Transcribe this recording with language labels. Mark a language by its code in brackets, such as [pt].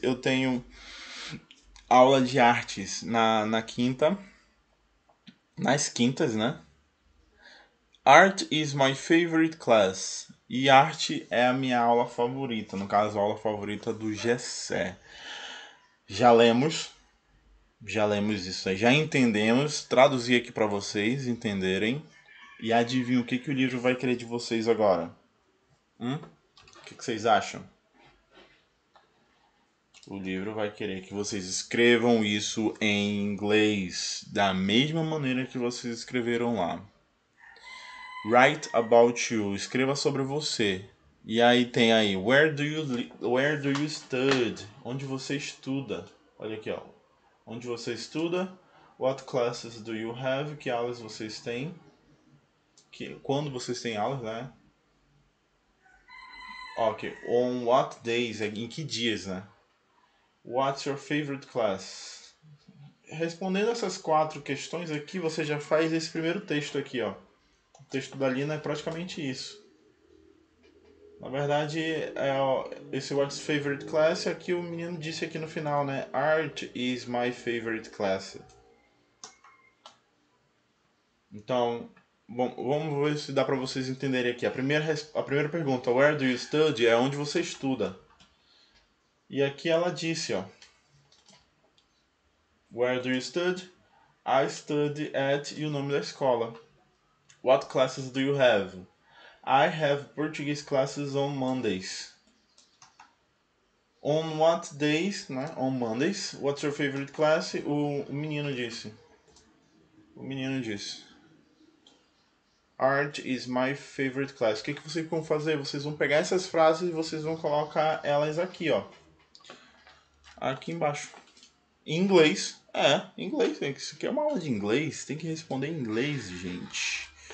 [pt] Eu tenho aula de artes na quinta. Nas quintas, né? [en] Art is my favorite class. [pt] E arte é a minha aula favorita. No caso, a aula favorita do Gessé. Já lemos isso aí. Já entendemos. Traduzi aqui para vocês entenderem. E adivinha o que que o livro vai querer de vocês agora? O que que vocês acham? O livro vai querer que vocês escrevam isso em inglês, da mesma maneira que vocês escreveram lá. [en] Write about you. [pt] Escreva sobre você. E aí tem aí, [en] where do you study? [pt] Onde você estuda? Olha aqui, ó. Onde você estuda? [en] What classes do you have? [pt] Que aulas vocês têm? Quando vocês têm aulas, né? Ok, [en] on what days? [pt] Em que dias, né? [en] What's your favorite class? [pt] Respondendo essas quatro questões aqui, você já faz esse primeiro texto aqui, ó. O texto da Lina é praticamente isso. Na verdade, esse [en] what's favorite class [pt] é que o menino disse aqui no final, né? [en] Art is my favorite class. [pt] Então, bom, vamos ver se dá para vocês entenderem aqui. A primeira pergunta, [en] where do you study? [pt] É onde você estuda. E aqui ela disse, ó. [en] Where do you study? I study at, [pt] e o nome da escola. [en] What classes do you have? I have Portuguese classes on Mondays. On what days, né? On Mondays. What's your favorite class? [pt] O menino disse. Art is my favorite class. O que que vocês vão fazer? Vocês vão pegar essas frases e vocês vão colocar elas aqui, ó. Aqui embaixo. Inglês. É, inglês. Isso aqui é uma aula de inglês. Tem que responder em inglês, gente.